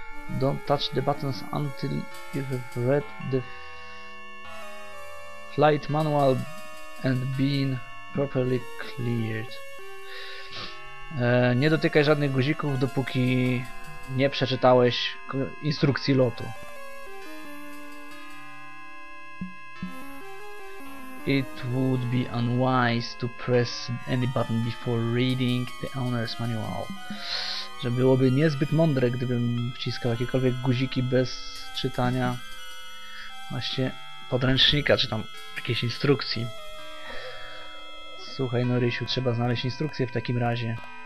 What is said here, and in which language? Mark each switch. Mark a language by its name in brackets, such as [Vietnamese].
[English] Don't touch the buttons until you've read the flight manual and been properly cleared. [Polish] Nie dotykaj żadnych guzików, dopóki nie przeczytałeś instrukcji lotu. [English] It would be unwise to press any button before reading the owner's manual. [Polish] Że byłoby niezbyt mądre, gdybym wciskał jakiekolwiek guziki bez czytania właśnie podręcznika, czy tam jakiejś instrukcji. Słuchaj, Norysiu, trzeba znaleźć instrukcję w takim razie.